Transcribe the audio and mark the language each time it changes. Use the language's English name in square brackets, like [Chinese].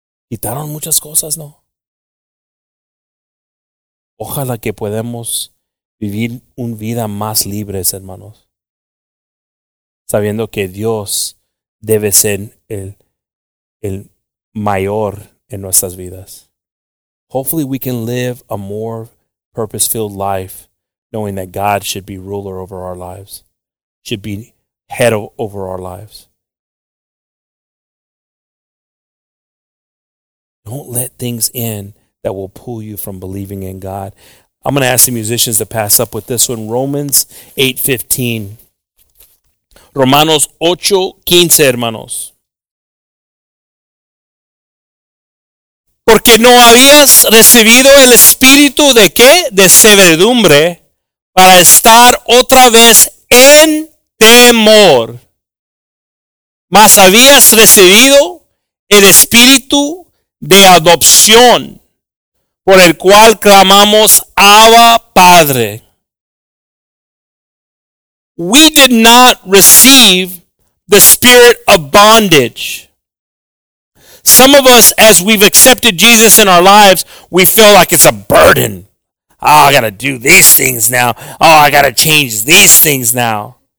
[Spanish] Quitaron muchas cosas, ¿no? Ojalá que podamos vivir una vida más libres, hermanos. Sabiendo que Dios debe ser el mayor en nuestras vidas. [English] Hopefully we can live a more purpose-filled life, knowing that God should be ruler over our lives. Should be head over our lives. Don't let things in that will pull you from believing in God. I'm going to ask the musicians to pass up with this one. Romans 8:15. [Spanish] Romanos 8:15, hermanos. Porque no habías recibido el espíritu de qué? De servidumbre para estar otra vez en temor, mas habías recibido el espíritu de adopción, por el cual clamamos Abba Padre. [English] We did not receive the spirit of bondage, Some of us, as we've accepted Jesus in our lives, we feel like it's a burden. Oh, I got to do these things now. Oh, I got to change these things now.